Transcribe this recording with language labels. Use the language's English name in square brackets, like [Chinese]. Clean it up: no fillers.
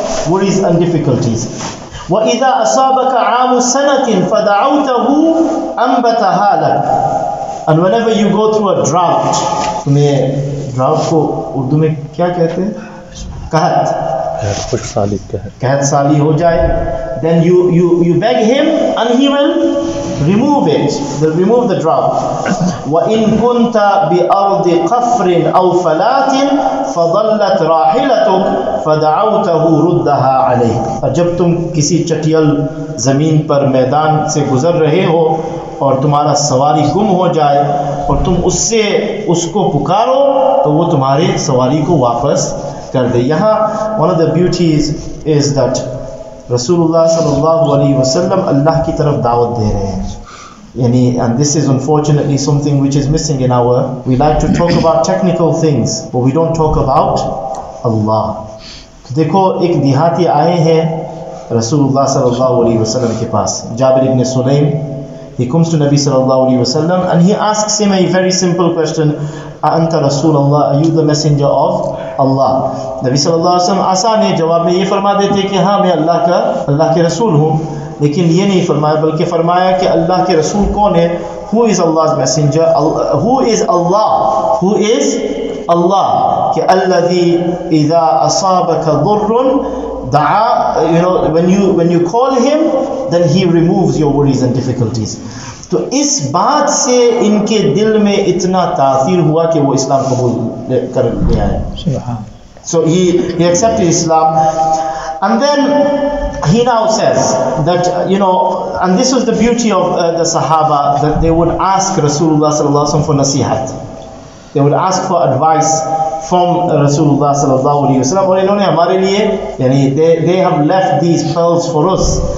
[English] worries and difficulties. [Arabic] وَإِذَا أَصَابَكَ عَامُ سَنَةٍ فَدَعَوْتَهُ أَنْبَتَهَا لَكَ. [English] And whenever you go through a drought, [Urdu] تمہیں drought کو اردو میں کیا کہتے ہیں؟ قحط. قحط سالی ہو جائے. [English] Then you beg him and he will remove it. They'll remove the drought. [Arabic] وَإِنْ كُنْتَ بِأَرْضِ قَفْرٍ أَوْ فَلَاتٍ فَضَلَّتْ رَاحِلَتُكْ فَدَعَوْتَهُ رُدَّهَا عَلَيْكَ. [Urdu] اور جب تم کسی چٹیل زمین پر میدان سے گزر رہے ہو اور تمہارا سواری گم ہو جائے اور تم اس سے اس کو پکارو تو وہ تمہارے سواری کو واپس کر دے. یہاں [English] one of the beauties is that [Urdu] رسول اللہ صلی اللہ علیہ وسلم اللہ کی طرف دعوت دے رہے ہیں. [English] یعنی and this is unfortunately something which is missing in our, we like to talk about technical things but we don't talk about Allah. [Urdu] تو دیکھو ایک دیہاتی آئے ہیں رسول اللہ صلی اللہ علیہ وسلم کے پاس, جابر ابن سلیم. [English] He comes to Nabi sallallahu alayhi wa sallam and he asks him a very simple question. [Arabic] أَأَنْتَ رَسُولَ اللَّهِ, [English] are you the messenger of Allah? [Urdu] Nabi sallallahu alayhi wa sallam آسانے جواب میں یہ فرما دیتے کہ ہاں میں اللہ کے رسول ہوں, لیکن یہ نہیں فرمایا بلکہ فرمایا کہ اللہ کے رسول کون ہے. [English] Who is Allah's messenger? Who is Allah? کہ [Arabic] الَّذِي إِذَا أَصَابَكَ ضُرٌ دَعَا, [English] you know, when you call him, then he removes your worries and difficulties. [Urdu] تو اس بات سے ان کے دل میں اتنا تاثیر ہوا کہ وہ اسلام قبول کر لے آئے. [English] So he accepted Islam. And then he now says that, you know, and this was the beauty of the Sahaba, that they would ask Rasulullah صلی اللہ علیہ وسلم for nasihat. They would ask for advice from Rasulullah sallallahu alayhi wa sallam. [Urdu] Aur inhone hamare liye, yani [English] they have left these pearls for us.